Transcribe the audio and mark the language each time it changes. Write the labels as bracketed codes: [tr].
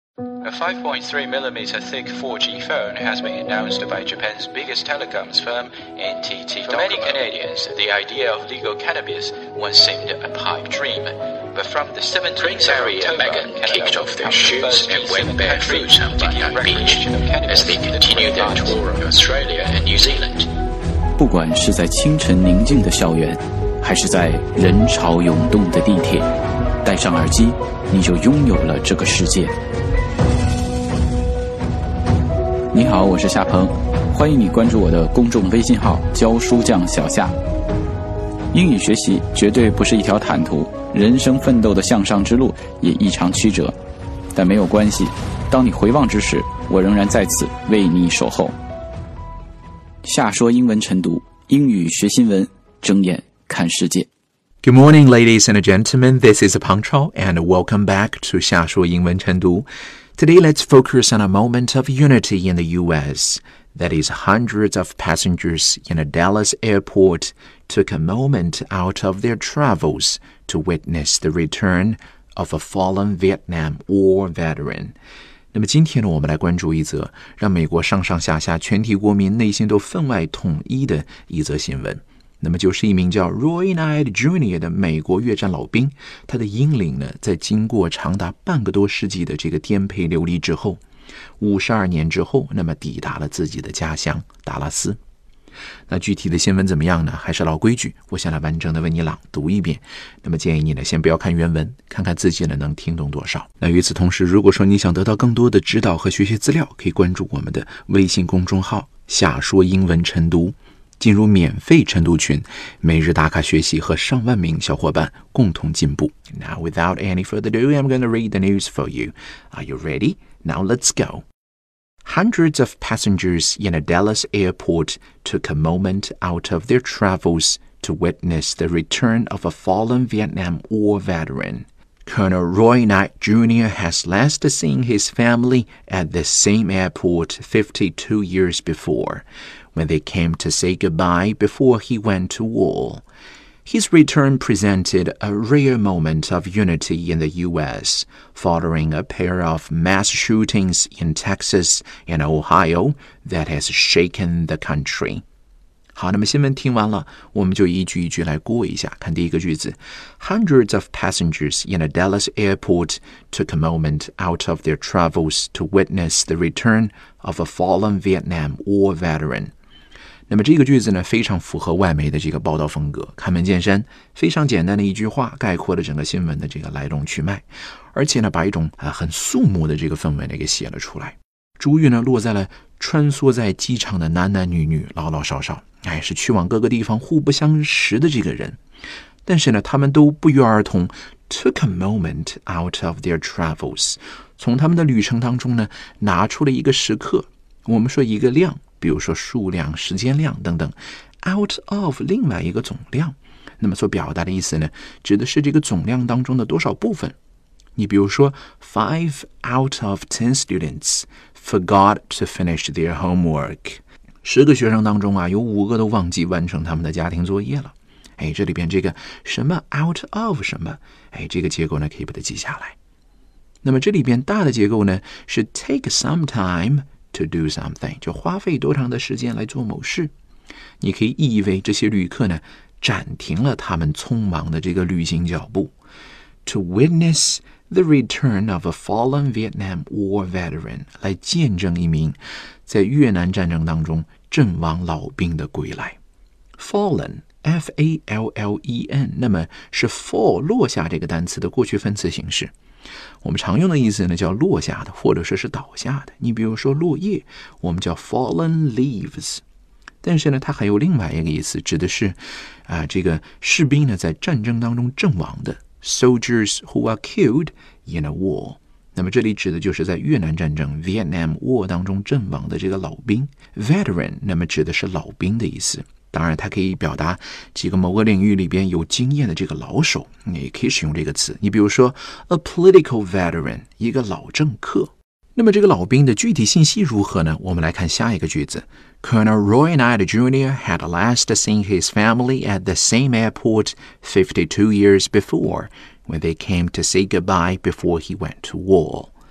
[en] A 5.3mm thick 4G phone has been announced by Japan's biggest telecoms firm, NTT Docomo. For many Canadians, the idea of legal cannabis once seemed a pipe dream. But from the 7th of October, Megan kicked off their shoes and went barefoot on Bundang Beach as they continued their tour of Australia and New Zealand. [zh] 不管是在清晨宁静的校园，还是在人潮涌动的地铁，戴上耳机，你就拥有了这个世界。你好，我是夏鹏，欢迎你关注我的公众微信号教书匠小夏。英语学习绝对不是一条坦途，人生奋斗的向上之路也异常曲折，但没有关系，当你回望之时，我仍然在此为你守候。夏说英文晨读，英语学新闻，睁眼看世界。 [en] Good morning, ladies and gentlemen. This is Peng Chao, and welcome back to [zh] 夏说英文晨读。 [en] Today, let's focus on a moment of unity in the U.S. That is, hundreds of passengers in a Dallas airport took a moment out of their travels to witness the return of a fallen Vietnam War veteran. [zh] 那么今天呢，我们来关注一则让美国上上下下全体国民内心都分外统一的一则新闻。那么就是一名叫 Roy Knight Jr. 的美国越战老兵，他的英灵呢，在经过长达半个多世纪的这个颠沛流离之后，52年之后，那么抵达了自己的家乡达拉斯。那具体的新闻怎么样呢？还是老规矩，我先来完整的为你朗读一遍。那么建议你呢，先不要看原文，看看自己呢能听懂多少。那与此同时，如果说你想得到更多的指导和学习资料，可以关注我们的微信公众号“夏说英文晨读”。进入免费晨读群，每日打卡学习和上万名小伙伴共同进步。 [en] Now, without any further ado, I'm going to read the news for you. Are you ready? Now, let's go. Hundreds of passengers in a Dallas airport took a moment out of their travels to witness the return of a fallen Vietnam War veteran. Colonel Roy Knight Jr. has last seen his family at the same airport 52 years before. When they came to say goodbye before he went to war. His return presented a rare moment of unity in the U.S., following a pair of mass shootings in Texas and Ohio that has shaken the country. [zh] 好，那么新闻听完了，我们就一句一句来过一下。看第一个句子， [en] Hundreds of passengers in a Dallas airport took a moment out of their travels to witness the return of a fallen Vietnam War veteran. [zh] 那么这个句子呢，非常符合外媒的这个报道风格，开门见山，非常简单的一句话概括了整个新闻的这个来龙去脉，而且呢，把一种很肃穆的这个氛围呢给写了出来。珠玉呢落在了穿梭在机场的男男女女、老老少少，哎，是去往各个地方互不相识的这个人，但是呢，他们都不约而同 [en] took a moment out of their travels， [zh] 从他们的旅程当中呢拿出了一个时刻，我们说一个量。比如说数量、时间量等等 ， [en] out of [zh] 另外一个总量，那么所表达的意思呢，指的是这个总量当中的多少部分。你比如说 [en] ，5 out of 10 students forgot to finish their homework， [zh] 十个学生当中啊，有五个都忘记完成他们的家庭作业了。哎，这里边这个什么 [en] out of [zh] 什么，哎，这个结构呢，可以把它记下来。那么这里边大的结构呢，是 [en] take some time。 To do something, [zh] 就花费多长的时间来做某事。你可以意义为这些旅客呢，暂停了他们匆忙的这个旅行脚步。 [en] To witness the return of a fallen Vietnam War veteran, [zh] 来见证一名在越南战争当中阵亡老兵的归来。 [en] Fallen, F-A-L-L-E-N, [zh] 那么是 fall, 落下这个单词的过去分词形式。我们常用的意思呢叫落下的或者说是倒下的，你比如说落叶我们叫 [en] fallen leaves， [zh] 但是呢它还有另外一个意思，指的是这个士兵呢在战争当中阵亡的， [en] soldiers who are killed in a war， [zh] 那么这里指的就是在越南战争 Vietnam War 当中阵亡的这个老兵 [en] veteran， [zh] 那么指的是老兵的意思，当然它可以表达几个某个领域里边有经验的这个老手，你可以使用这个词，你比如说 [en] a political veteran， [zh] 一个老政客。那么这个老兵的具体信息如何呢？我们来看下一个句子， [en] Colonel Roy Knight Jr. had last seen his family at the same airport 52 years before when they came to say goodbye before he went to war。